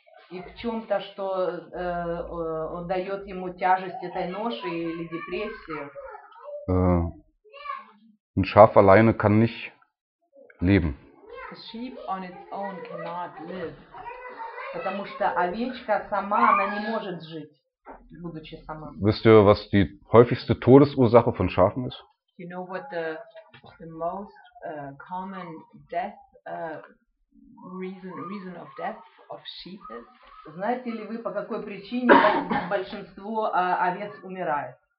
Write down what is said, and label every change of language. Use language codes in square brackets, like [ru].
[ru] И в чем-то, что дает ему тяжесть этой ноши или депрессии. [de] Ein Schaf alleine kann nicht leben. [en] A sheep on its own cannot live. [ru] Потому что овечка сама, она не может жить, будучи сама. [de] Wisst ihr, was die häufigste Todesursache von Schafen ist? [en] You know what the most common death reason of death of sheep is? [ru] Знаете ли вы, по какой причине большинство овец умирает?